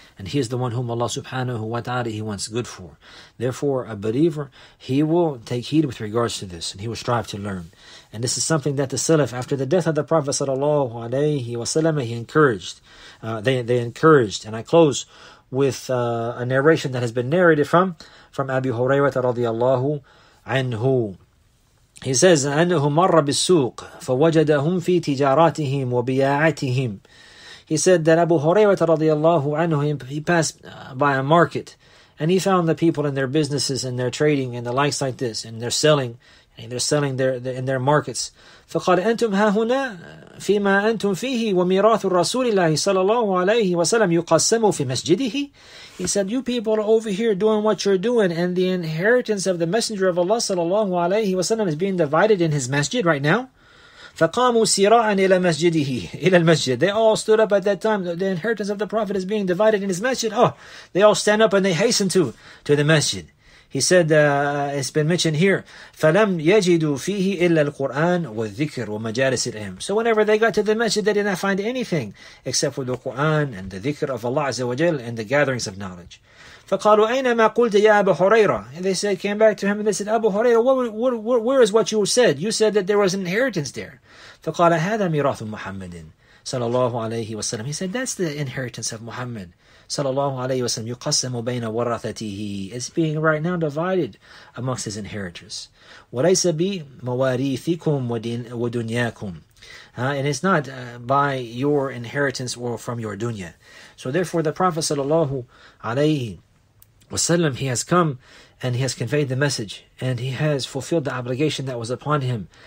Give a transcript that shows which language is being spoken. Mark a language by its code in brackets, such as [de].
[en] And he is the one whom Allah subhanahu wa ta'ala, he wants good for. Therefore, a believer, he will take heed with regards to this, and he will strive to learn. And this is something that the Salaf, after the death of the Prophet sallallahu alayhi wa sallam, he encouraged. They encouraged. And I close with a narration that has been narrated from Abu Hurairah radiallahu anhu. He says, [ar] أَنَّهُ مَرَّ بِالسُّوقِ فَوَجَدَهُمْ فِي تِجَارَاتِهِمْ وَبِيَاعَتِهِمْ. [en] He said that Abu Hurairah radiallahu anhu, he passed by a market, and he found the people in their businesses and their trading and the likes like this, and they're selling, in their markets. [ar] فَقَالَ أَنْتُمْ هَهُنَا فِي مَا أَنْتُمْ فِيهِ وَمِيرَاثُ رَسُولِ اللَّهِ صَلَى اللَّهُ عَلَيْهِ وَسَلَمْ يُقَسَّمُ فِي مَسْجِدِهِ. [en] He said, you people are over here doing what you're doing, and the inheritance of the Messenger of Allah صلى الله عليه وسلم is being divided in his masjid right now. [ar] فَقَامُوا سِرَاعًا إِلَى مَسْجِدِهِ إِلَى الْمَسْجِدِ. [en] They all stood up at that time. The inheritance of the Prophet is being divided in his masjid. Oh, they all stand up and they hasten to the masjid. He said, it's been mentioned here, [ar] فَلَمْ يَجِدُوا فِيهِ إِلَّا الْقُرْآنَ وَالذِّكْرُ وَمَجَالِسِ الْعِلْمِ. [en] So whenever they got to the masjid, they did not find anything except for the Qur'an and the dhikr of Allah Azza wa Jal and the gatherings of knowledge. [ar] فَقَالُوا أَيْنَ مَا قُلْتَ يَا أَبُو هُرَيْرَةَ. [en] They said, came back to him and they said, Abu Hurairah, where is what you said? You said that there was an inheritance there. [ar] فَقَالَ هَذَا مِرَاثُ مُحَمَّدٍ صَلَى اللَّهُ عَلَيْهِ وَسَلَّمَ. [en] He said, that's the inheritance of Muhammad [ar] صلى الله عليه وسلم. يُقَسَّمُ بَيْنَ وَرَثَتِهِ. [en] It's being right now divided amongst his inheritors. [ar] وَلَيْسَ بِمَوَارِيثِكُمْ وَدُنْيَاكُمْ. [en] And it's not by your inheritance or from your dunya. So therefore, the Prophet sallallahu alayhi wasallam, he has come and he has conveyed the message and he has fulfilled the obligation that was upon him.